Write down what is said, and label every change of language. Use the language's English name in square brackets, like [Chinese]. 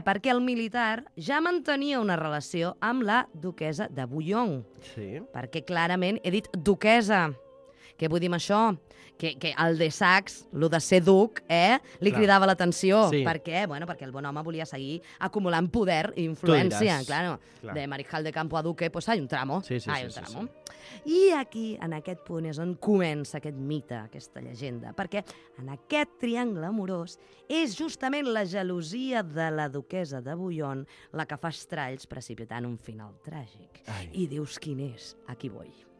[Catalan] Perquè el militar ja mantenia una relació amb la duquesa de Bouillon. Sí. Perquè clarament he dit duquesa. Què vull dir amb això? Que el de Saxe, el de ser duc, li cridava l'atenció. Sí. Per què? Bueno, perquè el bon home volia seguir acumulant poder i influència. [Spanish] Claro. De mariscal de campo a duque, pues hay un tramo. Sí. [Catalan] I aquí, en aquest punt, és on comença aquest mite, aquesta llegenda. Perquè en aquest triangle amorós és justament la gelosia de la duquesa de Bouillon la que fa estralls precipitant un final tràgic. Ai. I dius, quin és? A qui vull?